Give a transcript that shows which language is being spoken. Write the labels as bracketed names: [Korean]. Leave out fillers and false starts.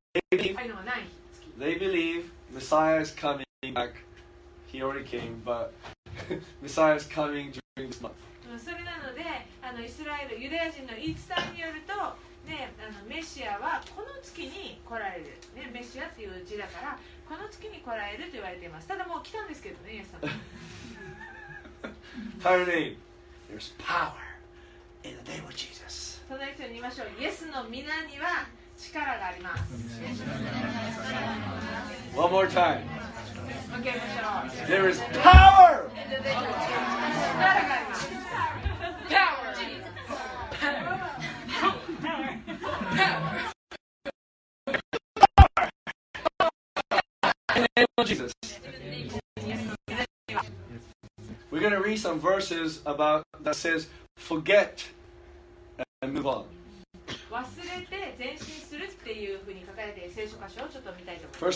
[English] They believe Messiah is coming back, he already came, but Messiah is coming during this month. [Japanese] それなのでイスラエル、ユダヤ人の言い伝えによると、ね、メシアはこの月に来られる、ね、メシアっていう字だからこの月に来られると言われています。ただもう来たんですけどね、イエス様。 [English] Title name, there's power in the name of Jesus. [Japanese] その人に言いましょう、イエスの皆には力があります。 [English] One more time. [Japanese] Okay, もちろん。 [English] There is power in the name of Jesus. [Japanese] 力があります。 [English] Jesus. We're going to read some verses about that says forget and move on. [Japanese] 忘れて前進するっていうふうに書かれている聖書箇所をちょっと見たいと思います。